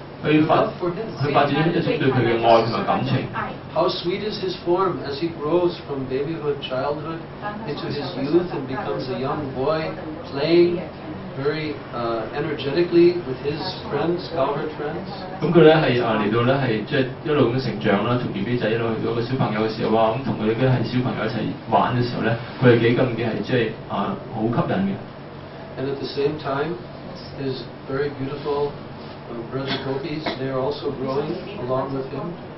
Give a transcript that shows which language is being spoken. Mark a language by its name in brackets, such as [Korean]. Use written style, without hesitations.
[Chinese] 去發展一種對他的愛和感情 [English] How sweet is his form as he grows from babyhood, childhood into his youth and becomes a young boy playing very energetically with his friends, cowherd friends [Chinese] 他來到一路成長跟小朋友一起玩的時候他是多麼的吸引 [English] And at the same time his very beautiful Brother Gopis, they are also growing along with him.